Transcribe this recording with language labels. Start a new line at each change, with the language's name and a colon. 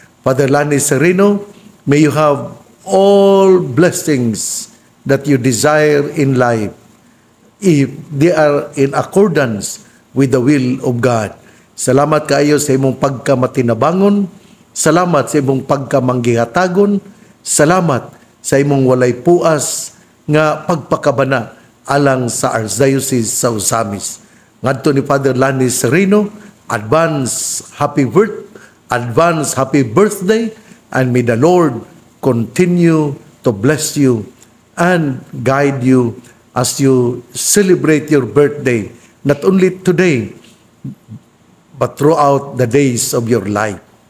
English: Father Lani Sereno, may you have all blessings that you desire in life if they are in accordance with the will of God.
Cebuano: Salamat kayo sa imong pagkamatinabangon, salamat sa imong pagkamanggihatagon, salamat sa imong walay puas nga pagpakabana alang sa Archdiocese sa Ozamis.
English: Ngadto ni Father Lani Sereno, advance happy birthday, and may the Lord continue to bless you and guide you as you celebrate your birthday, not only today, but throughout the days of your life.